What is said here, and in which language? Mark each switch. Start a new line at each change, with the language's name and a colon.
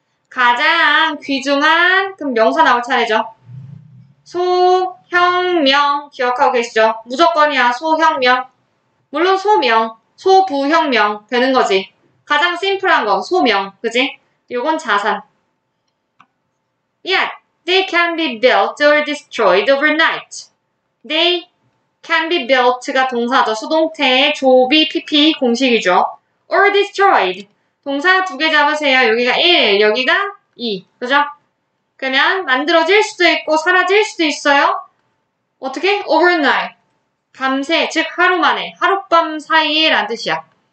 Korean: 가장 귀중한 그럼 명사 나올 차례죠. 소형명 기억하고 계시죠? 무조건이야 소형명. 물론 소명, 소부형명 되는 거지. 가장 심플한 건 소명, 그지? 요건 자산.
English: Yet, they can be built or destroyed overnight. They can be built가
Korean: 동사죠. 수동태의 조비 PP 공식이죠. Or destroyed. 동사 두개 잡으세요. 여기가 1, 여기가 2. 그죠? 그러면 만들어질 수도 있고 사라질 수도 있어요. 어떻게? Overnight. 밤새, 즉 하루 만에, 하룻밤 사이에 라는 뜻이야.